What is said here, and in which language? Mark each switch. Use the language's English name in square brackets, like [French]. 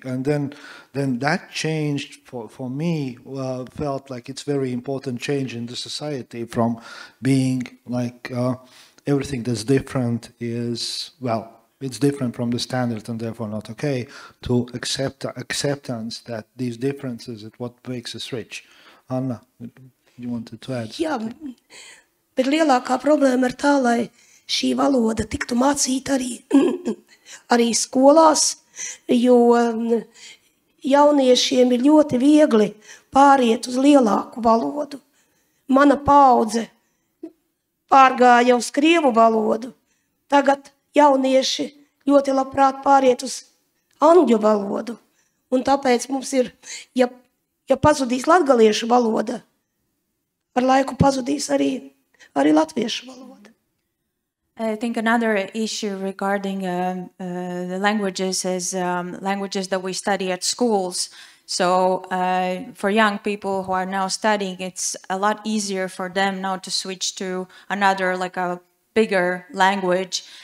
[English] And then that changed for me, felt like it's very important change in the society, from being like everything that's different is, well, it's different from the standard and therefore not okay, to acceptance that these differences is what makes us rich. Anna, you wanted to add something? Yeah, but the problem is that [Latvian] šī valoda tiktu mācīta arī skolās, jo jauniešiem ir ļoti viegli pāriet uz lielāku valodu. Mana paudze pārgāja uz krievu valodu. Tagad jaunieši ļoti labprāt pāriet uz angļu valodu. Un tāpēc mums ir, ja pazudīs latgaliešu valoda, ar laiku pazudīs arī latviešu valoda. [English] I think another issue regarding the languages is languages that we study at schools. So for young people who are now studying, it's a lot easier for them now to switch to another, like a bigger language.